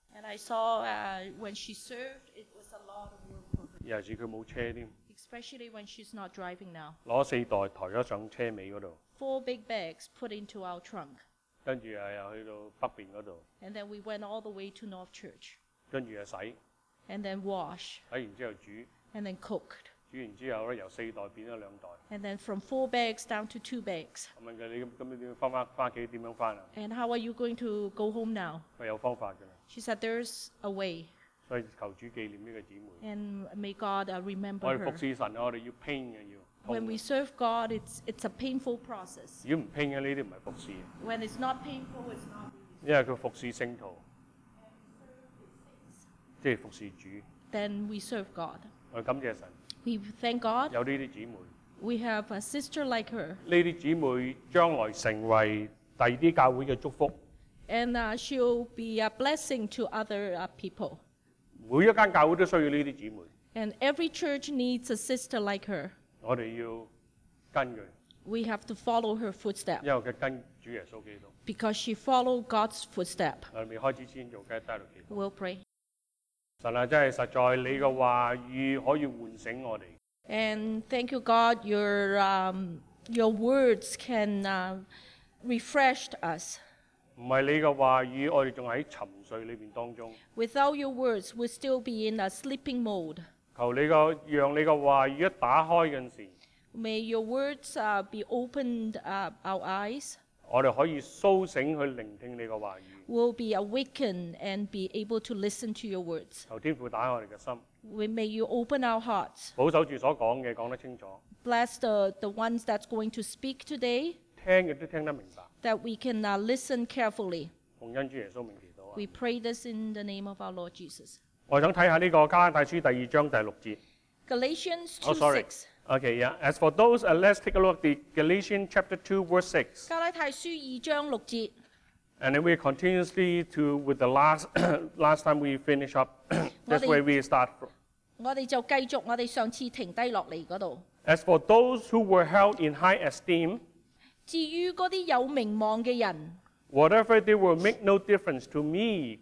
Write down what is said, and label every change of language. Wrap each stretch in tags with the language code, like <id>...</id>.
<en>And I saw when she served, it was a lot of work for her.</en> <yue>尤其佢冇車添。</yue> <en>Especially when she's not driving now.</en> <yue>攞四袋抬咗上車尾嗰度。</yue> <en>Four big bags put into our trunk.</en> <yue>跟住又去到北邊嗰度。</yue> <en>And then we went all the way to North Church.</en> <yue>跟住又洗。</yue> <en>And then wash.</en> <yue>洗完之後煮。</yue> <en>And then cooked.</en> <yue>煮完之後咧，由四袋變咗兩袋。</yue> <en>And then from four bags down to two bags.</en> <yue>我問佢：你咁樣點翻返翻屋企？點樣翻啊</yue> <en>？And how are you going to go home now？</en> <yue>佢有方法嘅。</yue> <en>She said there's a way.</en> <yue>所以求主紀念呢個姊妹。</yue> <en>And may God remember her.</en> <yue>我哋服侍神，我哋要拼嘅要。</yue> <en>When we serve God, it's a painful process.</en> <yue>如果唔拼嘅呢啲唔係服侍。</yue> <en>When it's not painful, it's not.</en> <yue>因為佢服侍聖徒，即係服侍主。</yue> <en>Then we serve God.</en> <yue>我感謝神。</yue> <en>We thank God.</en> <yue>有呢啲姊妹。</yue> <en>We have a sister like her.</en> <yue>呢啲姊妹將來成為第二啲教會嘅祝福。</yue> <en>And she'll be a blessing to other people.</en> <yue>每一間教會都需要呢啲姊妹。</yue> <en>And every church needs a sister like her.</en> <yue>我哋要跟佢。</yue> <en>We have to follow her footsteps.</en> <yue>因為佢跟主耶穌基督。</yue> <en>Because she followed God's footsteps.</en> <yue>我未開始先做，繼續帶到祈禱。</yue> <en>We'll pray.</en> <yue>神啊，真係實在，你嘅話語可以喚醒我哋。</yue> <en>And thank you, God. Your words can refresh us.</en> <yue>唔係你嘅話語，我哋仲喺沉睡裏邊當中。</yue> <en>Without your words, we'll still be in a sleeping mode.</en> <yue>求你个让你个话语一打开嗰阵时</yue> <en>，May your words be opened our eyes。</en> <yue>我哋可以苏醒去聆听你个话语。</yue> <en>We'll be awakened and be able to listen to your words。</en> <yue>求天父打开我哋嘅心。</yue> <en>May you open our hearts。</en> <yue>保守住所讲嘅，讲得清楚。</yue> <en>Bless the ones that's going to speak today。</en> <yue>听亦都听得明白。</yue> <en>That we can listen carefully。</en> <yue>奉恩主耶稣名祈祷啊。</yue> <en>We pray this in the name of our Lord Jesus。</en> <yue>我想睇下呢個加拉太書第二章第六節。</yue> <en>Galatians 2:6. Oh, sorry. Okay, yeah. As for those, let's take a look at the Galatians chapter 2 verse 6.</en> <yue>加拉太書二章六節。</yue> <en>And then we continuously to with the last time we finish up. That's where we start from.</en> <yue>我哋就繼續我哋上次停低落嚟嗰度。</yue> <en>As for those who were held in high esteem.</en> <yue>至於嗰啲有名望嘅人。</yue> <en>Whatever they were make no difference to me.</en>